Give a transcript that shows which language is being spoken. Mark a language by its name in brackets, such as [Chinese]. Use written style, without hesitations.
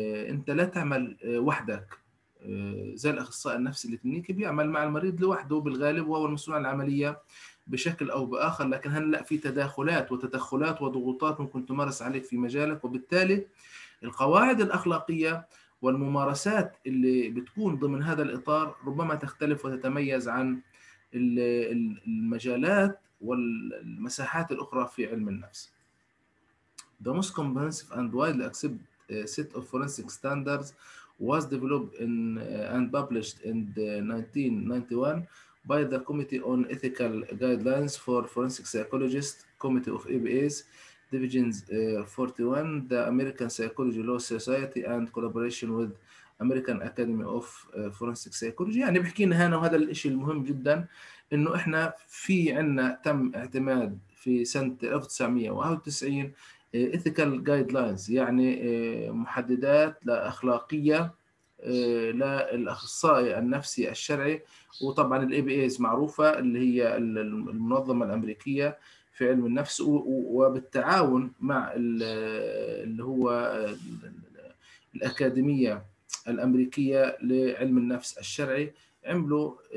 [Arabic] أنت لا تعمل وحدك، زي الأخصائي النفسي الكلينيكي بيعمل مع المريض لوحده بالغالب، وهو المسؤول عن العملية بشكل أو بآخر، لكن هلا في تداخلات وتدخلات وضغوطات ممكن تمارس عليك في مجالك، وبالتالي القواعد الأخلاقية والممارسات اللي بتكون ضمن هذا الإطار ربما تختلف وتتميز عن المجالات والمساحات الأخرى في علم النفس. [English] The most comprehensive and widely accepted set of forensic standards was developed in and published in 1991 by the Committee on Ethical Guidelines for Forensic Psychologists, Committee of ABAs, Divisions 41, the American Psychology Law Society and collaboration with American Academy of Forensic Psychology. [Arabic] يعني بحكي لنا هنا، وهذا الشيء المهم جدا، انه احنا في عندنا تم اعتماد في سنه 1991 Ethical Guidelines، يعني محددات اخلاقيه للاخصائي النفسي الشرعي، وطبعا الاي بي ايز معروفه اللي هي المنظمه الامريكيه في علم النفس، وبالتعاون مع اللي هو الأكاديمية الأمريكية لعلم النفس الشرعي، عملوا